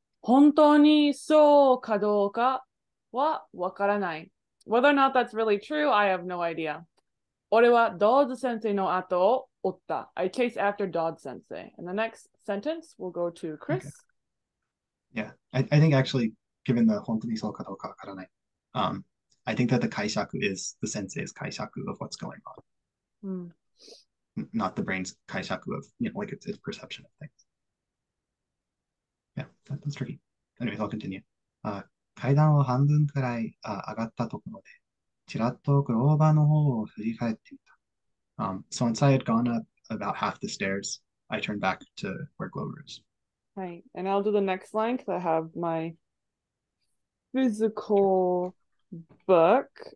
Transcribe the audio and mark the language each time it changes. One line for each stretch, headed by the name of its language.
Japanese: 本当にそうかどうかはわからない。
English: Whether or not that's really true, I have no idea.
Japanese: 俺はドーズ先生の後を追った。
English: I chase after Dodd Sensei. And the next sentence will go to Chris. Okay. Yeah, I think actually, given the
Japanese: 本当にそうかどうかわからない,
English: I think that the 解釈 is the sensei's 解釈 of what's going on. Not the brain's 解釈 of, you know, like its perception of things. Yeah, that's tricky. Anyways, I'll continue.
Japanese: 階段を半分くらい上がったところで、ちらっとクローバーの方を振り返ってみた。
English: So once I had gone up about half the stairs, I turned back to where Glover is. Right, and I'll do the next line because I have my physical book.